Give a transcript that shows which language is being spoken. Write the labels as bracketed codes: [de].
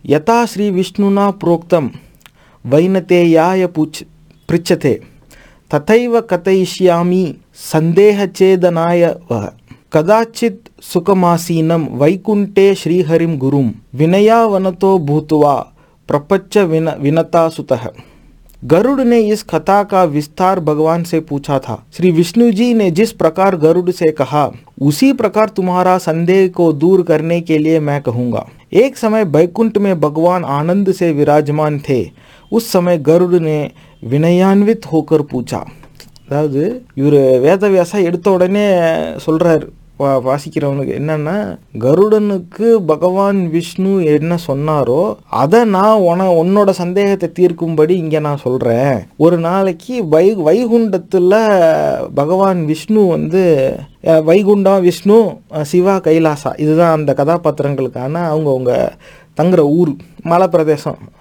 [sa] யதா ஸ்ரீ விஷ்ணுனா புரோக்தம் வைணத்தே யாய பிரிச்சதே ததைவ கதயிஷ்யாமி சந்தேகச்சேதனாய வஹ கதாச்சித் சுகமாசீனம் வைகுண்டே ஸ்ரீஹரிம் குரும் வினயாவனதோ பூத்வா பிரபச்ச வினதா சுதஹ. [hi] गरुड़ ने इस कथा का विस्तार भगवान से पूछा था. श्री विष्णु जी ने जिस प्रकार गरुड़ से कहा, उसी प्रकार तुम्हारा संदेह को दूर करने के लिए मैं कहूँगा. एक समय बैकुंठ में भगवान आनंद से विराजमान थे. उस समय गरुड़ ने विनयान्वित होकर पूछा. [ta] அதாவது இவர் வேத வியாசா எடுத்த உடனே சொல்றாரு வாசிக்கிறவனுக்கு என்னன்னா, கருடனுக்கு பகவான் விஷ்ணு என்ன சொன்னாரோ அதை நான் உன்னோட சந்தேகத்தை தீர்க்கும்படி இங்கே நான் சொல்கிறேன். ஒரு நாளைக்கு வைகுண்டத்தில் பகவான் விஷ்ணு வந்து வைகுண்டம் விஷ்ணு சிவா கைலாசா இதுதான் அந்த கதாபாத்திரங்களுக்கான அவங்கவுங்க தங்குற ஊர் மலைப்பிரதேசம்.